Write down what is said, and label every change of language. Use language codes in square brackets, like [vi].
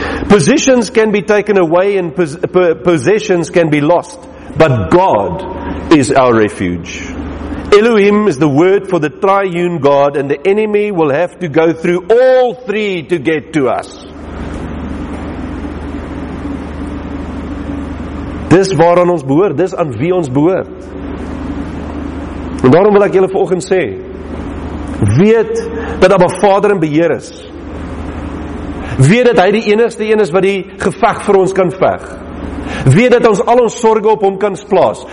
[en] Positions can be taken away and possessions can be lost, but God is our refuge. Elohim is the word for the triune God, and the enemy will have to go through all three to get to us. [af] Dis waaraan ons behoort, dis aan wie ons behoort. En daarom wil ek julle vanoggend sê, weet dat Abba Vader in beheer is. Weet dat hy die enigste een is wat die geveg vir ons kan veg. Weet dat ons al ons sorge op hom kan plaas.